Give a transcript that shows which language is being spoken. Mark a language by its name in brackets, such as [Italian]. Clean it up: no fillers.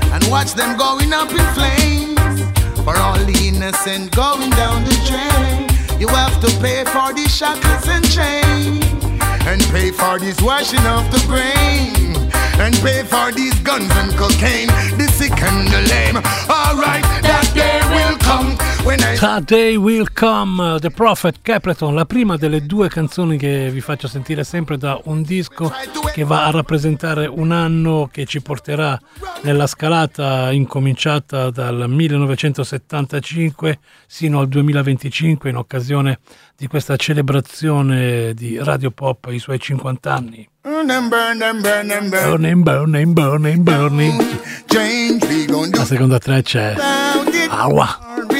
[English] Watch them going up in flames for all the innocent going down the drain. You have to pay for these shackles and chains and pay for this washing of the brain and pay for these guns and cocaine, the sick and the lame. All right, that day will come [Italian] The Day Will Come, The Prophet, Capleton, la prima delle due canzoni che vi faccio sentire sempre da un disco che va a rappresentare un anno che ci porterà nella scalata incominciata dal 1975 sino al 2025 in occasione di questa celebrazione di Radio Pop i suoi 50 anni. [English] Burning, burning, burning, burning, burning, burning. [Italian] La seconda traccia è Awa.